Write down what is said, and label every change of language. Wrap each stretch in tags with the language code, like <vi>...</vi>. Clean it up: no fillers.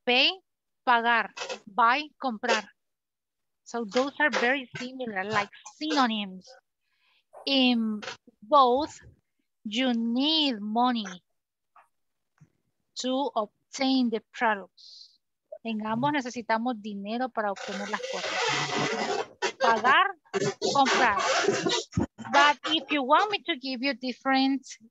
<en>Pay,</en> <es>pagar.</es> <en>Buy,</en> <es>comprar.</es> <en>So those are very similar, like synonyms. In both, you need money to obtain the products.</en> <es>En ambos necesitamos dinero para obtener las cosas. Pagar, comprar.</es> <en>But if you want me to give you different...</en>